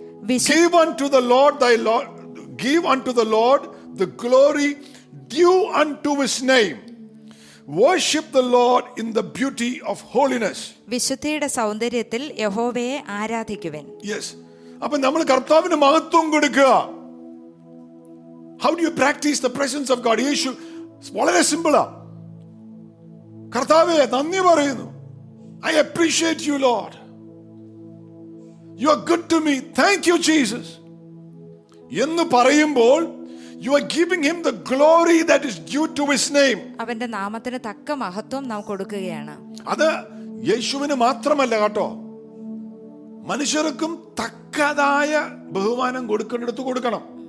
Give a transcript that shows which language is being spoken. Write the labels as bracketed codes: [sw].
[en] Give unto the Lord thy Lord, give unto the Lord the glory due unto his name. Worship the Lord in the beauty of holiness. [ml] വിശുദ്ധിയുടെ സൗന്ദര്യത്തിൽ യഹോവയെ ആരാധിക്കുവിൻ. [en] Yes. [ml] അപ്പോൾ നമ്മൾ കർത്താവിന് മഹത്വം കൊടുക്കുക. [en] How do you practice the presence of God? [ml] യേശു വളരെ സിമ്പിളാ. കർത്താവേ നന്ദി പറയുന്നു. [en] I appreciate you, Lord. You are good to me. Thank you, Jesus. [ml] എന്ന് പറയുമ്പോൾ, [en] you are giving him the glory that is due to his name. [ml] അവന്റെ നാമത്തിന് തക്ക മഹത്വം നാം കൊടുക്കുകയാണ്. അത് യേശുവിനെ മാത്രമല്ല കേട്ടോ, മനുഷ്യർക്കും തക്കതായ ബഹുമാനം കൊടുക്കേണ്ടത് കൊടുക്കണം.